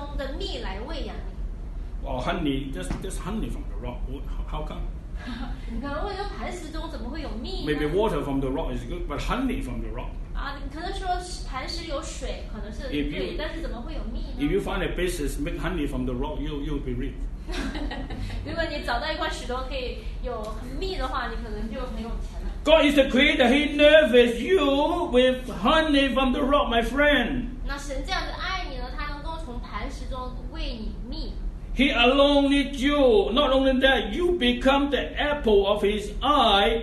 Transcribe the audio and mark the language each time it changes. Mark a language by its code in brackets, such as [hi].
[zh] 那他就是以这个甜那个磐石中的蜜来喂养你。 [en] Oh, honey, just honey from the rock. How come? [zh] 你可能会说磐石中怎么会有蜜呢? [en] Maybe water from the rock is good, but honey from the rock. [zh] 你可能说磐石有水可能是对，但是怎么会有蜜呢? [en] If you find a basis make honey from the rock, you'll be rich. [zh] 如果你找到一块石头可以有蜜的话，你可能就很有钱了。 [en] God is the creator, He nourishes you with honey from the rock, my friend. [zh] 那神这样子爱你呢，他能够从磐石中喂你蜜。 [en] He alone needs you. Not only that, you become the apple of His eye.